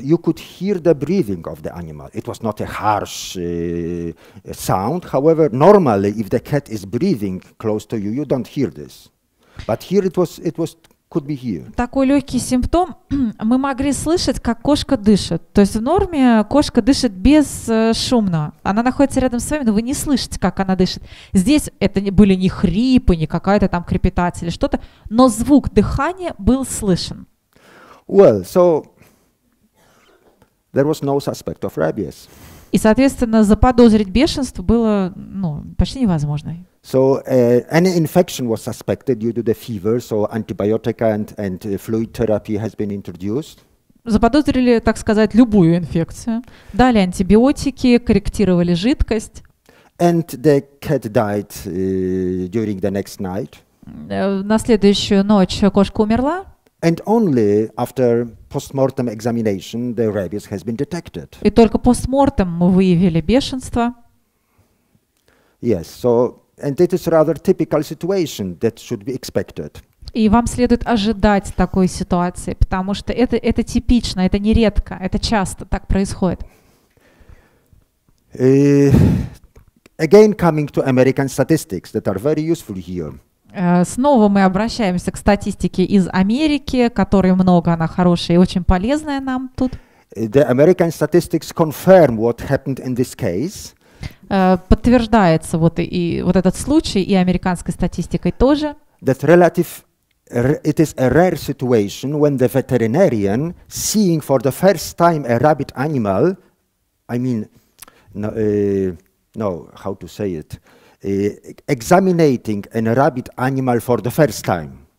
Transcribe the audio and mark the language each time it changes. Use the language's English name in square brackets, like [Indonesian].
[English] You could hear the breathing of the animal. It was not a harsh sound. However, normally, if the cat is breathing close to you, you don't hear this. But here it was could be here. [Russian] Такой легкий симптом. Мы могли слышать, как кошка дышит. То есть в норме кошка дышит бесшумно. Она находится рядом с вами, но вы не слышите, как она дышит. Здесь это были не хрипы, не какая-то там крепитация или что-то, но звук дыхания был слышен. [English] Well, so there was no suspect of rabies. [Russian] И, соответственно, заподозрить бешенство было, ну, почти невозможно. [English] So any infection was suspected due to the fever, so antibiotic and fluid therapy has been introduced. [Russian] Заподозрили, так сказать, любую инфекцию. Дали антибиотики, корректировали жидкость. [English] And the cat died during the next night. [Russian] На следующую ночь кошка умерла. [English] And only after postmortem examination the rabies has been detected. [Russian] И только постмортем мы выявили бешенство. [English] Yes, so and it is rather typical situation that should be expected. [Russian] И вам следует ожидать такой ситуации, потому что это типично, это не редко, это часто так происходит. [English] Again coming to American statistics that are very useful here. [Russian] Снова мы обращаемся к статистике из Америки, которой много, она хорошая и очень полезная нам тут. [English] The American statistics confirm what happened in this case. [Russian] Подтверждается вот и вот этот случай и американской статистикой тоже. [English] That relative, it is a rare situation when the veterinarian seeing for the first time a rabbit animal, I mean, no, how to say it. Examining a rabbit animal for the first time.